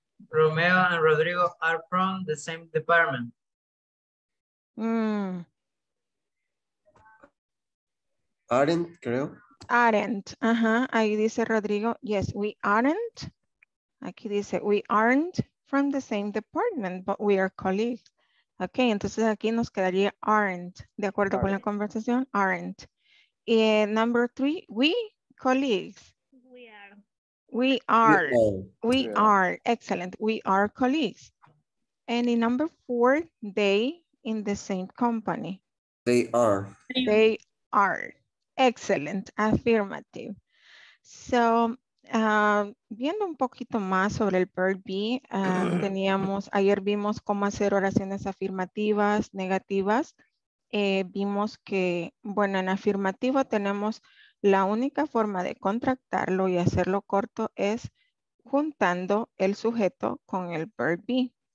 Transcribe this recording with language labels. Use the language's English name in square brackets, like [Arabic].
[English] Romeo and Rodrigo are from the same department. [Spanish] Aren't, creo. Aren't, ajá. Ahí dice Rodrigo, [English] yes, we aren't. [Spanish] Aquí dice, [English] we aren't from the same department, but we are colleagues. [Spanish] Ok, entonces aquí nos quedaría aren't, de acuerdo aren't. Con la conversación, aren't. [English] Y number three, we colleagues. We are. Excellent. We are colleagues. And in number four, they in the same company. They are. Excellent. Affirmative. [Spanish] So, viendo un poquito más sobre el [English] verb be, [Spanish] ayer vimos cómo hacer oraciones afirmativas, negativas. Vimos que, bueno, en afirmativo tenemos la única forma de contractarlo y hacerlo corto es juntando el sujeto con el [English] verb be.